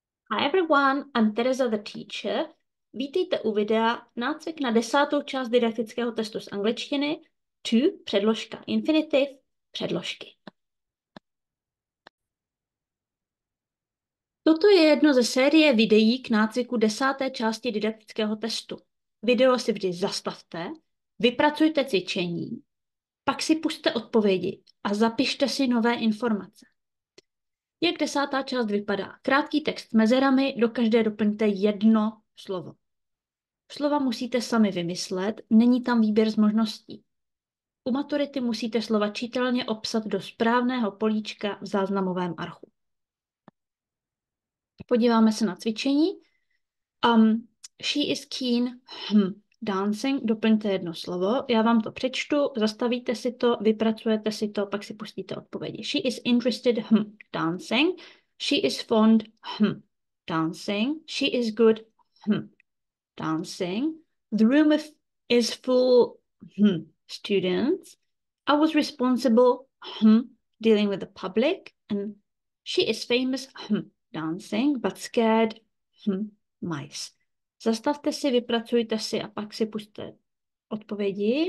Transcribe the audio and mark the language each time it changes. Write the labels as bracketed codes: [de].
[en] Hi everyone, I'm Teresa the teacher. [cs] Vítejte u videa nácvik na desátou část didaktického testu z angličtiny to předložka infinitiv předložky. Toto je jedno ze série videí k nácviku desáté části didaktického testu. Video si vždy zastavte, vypracujte cvičení, pak si pusťte odpovědi a zapište si nové informace. Jak desátá část vypadá? Krátký text s mezerami, do každé doplňte jedno slovo. Slova musíte sami vymyslet, není tam výběr z možností. U maturity musíte slova čitelně opsat do správného políčka v záznamovém archu. Podíváme se na cvičení. [en] She is keen dancing, [cs] doplňte jedno slovo. Já vám to přečtu, zastavíte si to, vypracujete si to, pak si pustíte odpovědi. [en] She is interested dancing. She is fond dancing. She is good dancing. The room is full students. I was responsible dealing with the public. And she is famous dancing, but scared mice. [cs] Zastavte si, vypracujte si a pak si pusťte odpovědi.